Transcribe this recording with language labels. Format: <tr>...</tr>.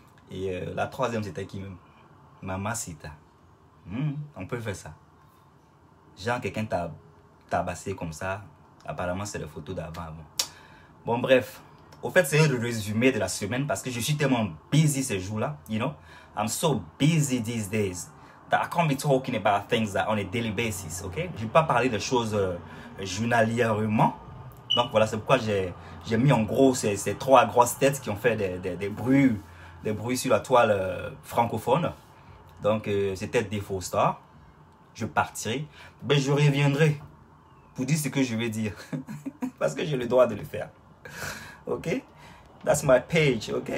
<fr>Et la troisième, c'était qui même? Mamacita. On peut faire ça. Genre, quelqu'un t'a tabassé comme ça. Apparemment, c'est la photo d'avant. Bon, bref. Au fait, c'est le résumé de la semaine parce que je suis tellement busy ces jours-là.</fr> <en>You know? I'm so busy these days that I can't be talking about things that on a daily basis. Okay?</en> <fr>Je ne vais pas parler de choses journalièrement. Donc, voilà, c'est pourquoi j'ai mis en gros ces trois grosses têtes qui ont fait des bruits sur la toile francophone. Donc, c'était des faux stars. Je partirai. Mais je reviendrai pour dire ce que je vais dire. Parce que j'ai le droit de le faire. Ok?</fr> <en>That's my page.</en> <fr>Ok?</fr>